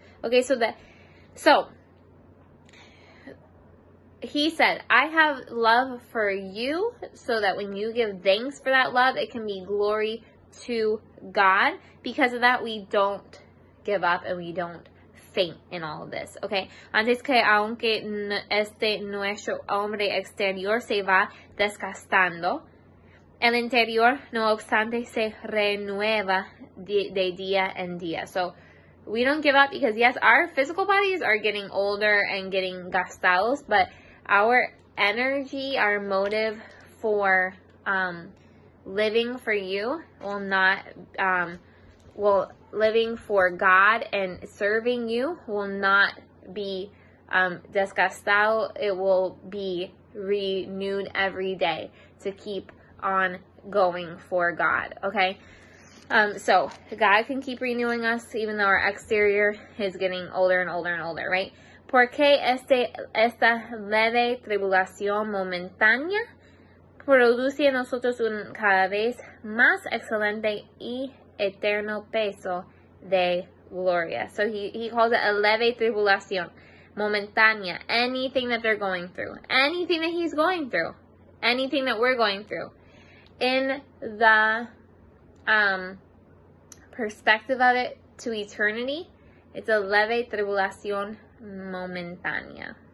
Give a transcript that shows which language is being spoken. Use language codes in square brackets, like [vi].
[en] Okay, so that, so he said, I have love for you so that when you give thanks for that love, it can be glory to God. Because of that, we don't give up and we don't faint in all of this. Okay. [es] Antes que aunque este nuestro hombre exterior se va desgastando, el interior no obstante se renueva de día en día. [en] So we don't give up because, yes, our physical bodies are getting older and getting gastados, but our energy, our motive for living for you will not, well, living for God and serving you will not be desgastado. It will be renewed every day to keep on going for God, okay? So God can keep renewing us even though our exterior is getting older and older and older, right? [es] Porque esta leve tribulación momentánea produce en nosotros un cada vez más excelente y eterno peso de gloria. [en] So he calls it a [es] leve tribulación momentánea. [en] Anything that they're going through, anything that he's going through, anything that we're going through. In the perspective of it to eternity, it's a [es] leve tribulación momentánea.